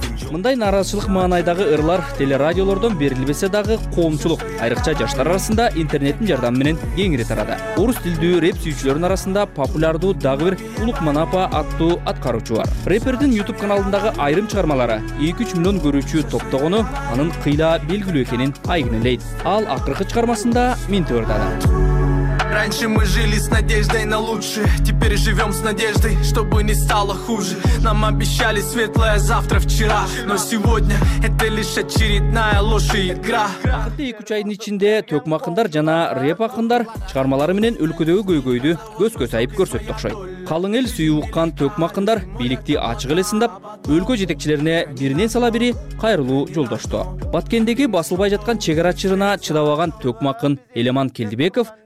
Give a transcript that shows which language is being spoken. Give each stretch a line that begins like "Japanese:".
Kyrgyz: Мындай нааразычылык маанайдагы ырлар телерадиолордон берилбесе дагы коомчулук, айрыкча жаштар арасында интернеттин жардамы менен кеңири тарады. Орус тилдүү рэп сүйүүчүлөрүн арасында популярдуу дагы бир Улук Манапа аттуу аткаруучу бар. Рэпердин YouTube каналындагы айрым чыгармалары 2-3 миллион көрүүчү топтогону анын кыйла белгилүү экенин айгинелейт. Ал акыркы чыгармасында минтөрдана.
Russian: Раньше мы жили с надеждой на лучшее, теперь живем с надеждой, чтобы не стало хуже. Нам обещали светлое завтра вчера, но сегодня это лишь очередная ложь и игра.
Kyrgyz: Акыркы 2-3 айдын ичинде төкмө акындар жана рэп акындар чыгармалары менен өлкөдөгү көйгөйдү көзгө сайып көрсөттү окшойт. Калың эл сүйүп уккан төкмө акындар бийликти ачык эле сындап, өлкө жетекчилерине биринен сала бири кайрылуу жолдошту. Баткендеги басылбай жаткан чек ара чырына чыдабаган төкмө акын Элеман Келдибеков